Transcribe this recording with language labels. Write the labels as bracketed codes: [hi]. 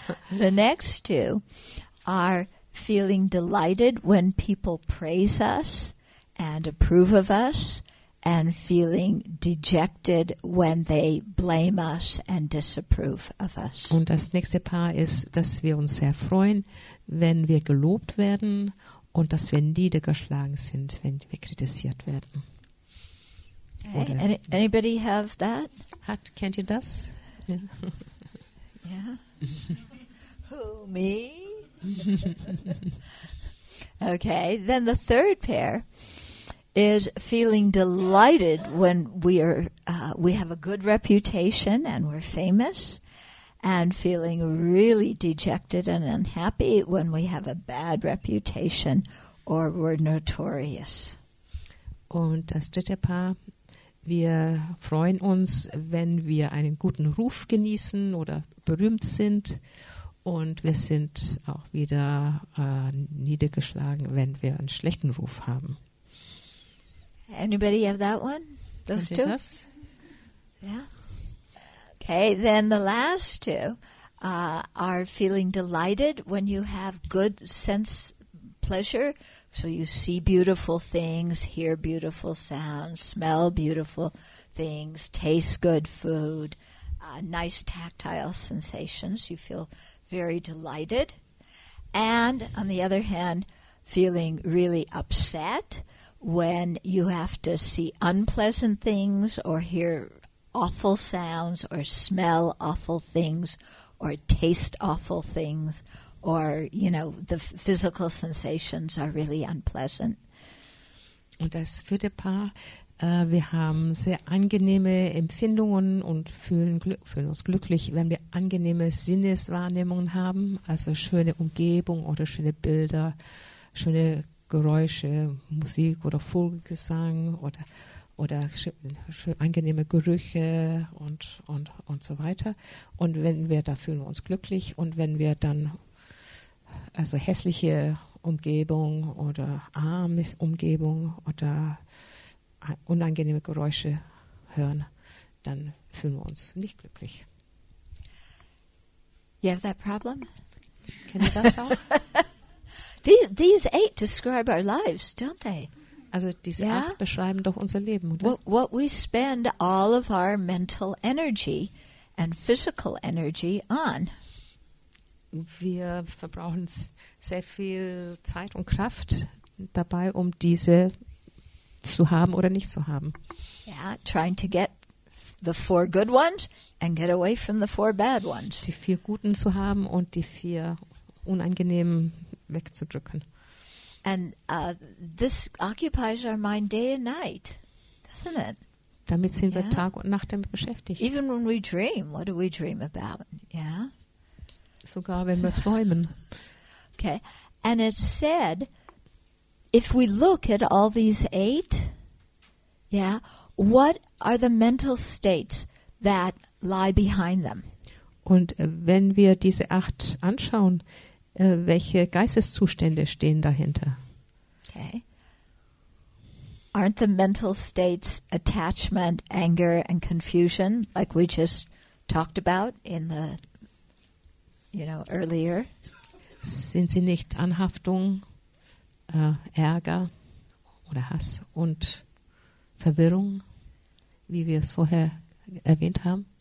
[en] The next two are feeling delighted when people praise us and approve of us, and feeling dejected when they blame us and disapprove of us. [de] Und das nächste Paar ist, dass wir uns sehr freuen, wenn wir gelobt werden und dass wir niedergeschlagen sind, wenn wir kritisiert werden. [en] Okay. Anybody have that? [de] Kennt ihr das? [en] Yeah. Who, me? Okay, then the third pair is feeling delighted when we have a good reputation and we're famous, and feeling really dejected and unhappy when we have a bad reputation or we're notorious. [de] Und das dritte Paar, wir freuen uns, wenn wir einen guten Ruf genießen oder berühmt sind, und wir sind auch wieder niedergeschlagen, wenn wir einen schlechten Ruf haben. [en] Anybody have that one? Those two? [de] Das? [en] Yeah. Okay, then the last two are feeling delighted when you have good sense pleasure. So you see beautiful things, hear beautiful sounds, smell beautiful things, taste good food, nice tactile sensations. You feel very delighted. And on the other hand, feeling really upset when you have to see unpleasant things or hear awful sounds or smell awful things or taste awful things, or, you know, the physical sensations are really unpleasant. [de] Und das vierte Paar, wir haben sehr angenehme Empfindungen und fühlen uns glücklich, wenn wir angenehme Sinneswahrnehmungen haben, also schöne Umgebung oder schöne Bilder, schöne Geräusche, Musik oder Vogelgesang oder angenehme Gerüche und so weiter. Und wenn wir da fühlen wir uns glücklich, und wenn wir dann also hässliche Umgebung oder arme Umgebung oder unangenehme Geräusche hören, dann fühlen wir uns nicht glücklich. [en] You have that problem? [de] Kennt ihr das auch? [en] These eight describe our lives, don't they? [de] Also diese acht beschreiben doch unser Leben, oder? [en] What we spend all of our mental energy and physical energy on. [de] Wir verbrauchen sehr viel Zeit und Kraft dabei, um diese zu haben oder nicht zu haben. [en] Yeah, trying to get the four good ones and get away from the four bad ones. [de] Die vier guten zu haben und die vier unangenehmen wegzudrücken. [en] And this occupies our mind day and night, doesn't it? [de] Damit sind wir Tag und Nacht damit beschäftigt. [en] Even when we dream, what do we dream about? Yeah. [de] Sogar wenn wir träumen. [en] Okay. And it said, if we look at all these eight, what are the mental states that lie behind them? [de] Und wenn wir diese acht anschauen, welche Geisteszustände stehen dahinter? [en] Okay. Aren't the mental states attachment, anger and confusion, like we just talked about in the, earlier? [de] Sind sie nicht Anhaftung, Ärger oder Hass und Verwirrung, wie wir es vorher erwähnt haben?